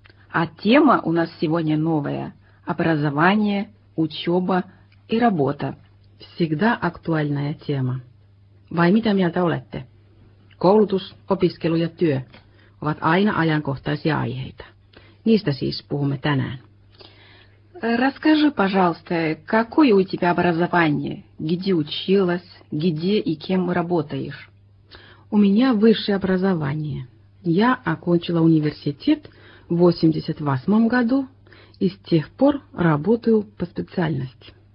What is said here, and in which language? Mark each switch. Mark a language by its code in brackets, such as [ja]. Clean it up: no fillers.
[ru] А тема у нас сегодня новая. Образование, учеба и работа. Всегда актуальная тема. [fi] Vai mitä mieltä olette? Koulutus, opiskelu ja työ ovat aina ajankohtaisia aiheita. Niistä siis puhumme tänään. [ru] Расскажи, пожалуйста, какое у тебя образование? Где училась? Где и кем работаешь? У меня высшее образование. Я окончила университет в 88 году и с тех пор работаю по специальности.